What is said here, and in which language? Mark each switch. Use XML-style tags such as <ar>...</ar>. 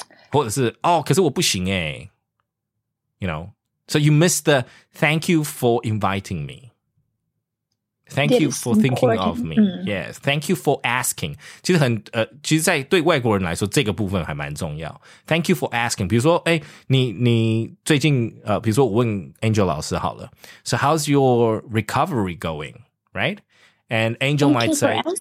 <zh>或者是哦，可是我不行耶。</zh> <en>You know, so you missed the thank you for inviting me. Thank you for thinking of me. Yes, thank you for asking.</en> <zh>其实很其实在对外国人来说，这个部分还蛮重要。</zh> <en>Thank you for asking.</en> <zh>比如说，哎，你最近比如说我问 Angel 老师好了</zh> <en>，So how's your recovery going? Right? And Angel might say,</en>